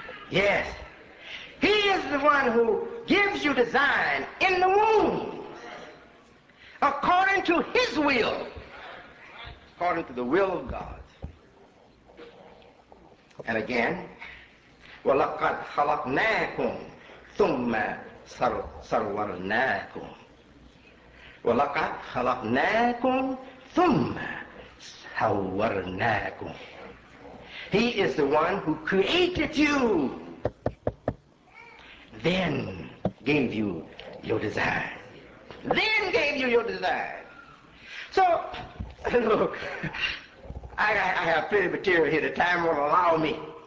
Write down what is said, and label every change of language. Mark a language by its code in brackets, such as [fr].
[en] Yes, he is the one who gives you design in the womb, according to his will, according to the will of God. And again, [ar] وَلَقَدْ خَلَقْنَاكُمْ ثُمَّ صَرَّرْنَاكُمْ وَلَقَدْ خَلَقْنَاكُمْ ثُمَّ صَوَّرْنَاكُمْ. [en] He is the one who created you, then gave you your design. Then gave you your design. So, look, I have plenty of material here. The time won't allow me.